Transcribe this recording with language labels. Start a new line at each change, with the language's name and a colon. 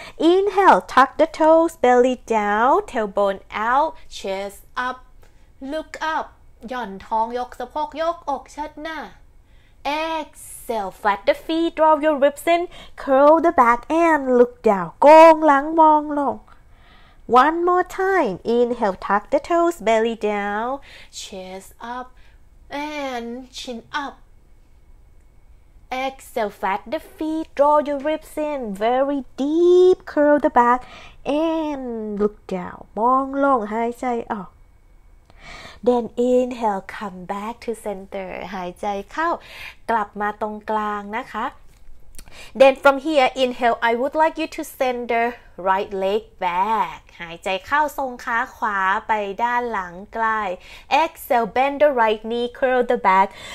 English: Inhale, tuck the toes, belly down, tailbone out, chest up, look up,
Thai: หย่อนท้องยกสะโพกยกอกเชิดหน้า
English: Exhale, flat the feet, draw your ribs in, curl the back and look down.
Thai: โกงหลังมองลง
English: One more time. Inhale, tuck the toes, belly down, chest up and chin up. Exhale, flat the feet, draw your ribs in, very deep, curl the back and look down.
Thai: มองลงหายใจออก
English: Then inhale, come back to center.
Thai: หายใจเข้ากลับมาตรงกลางนะคะ
English: Then from here, inhale, I would like you to send the right leg back.
Thai: หายใจเข้าทรงขาขวาไปด้านหลังใกล้
English: Exhale, bend the right knee, curl the back.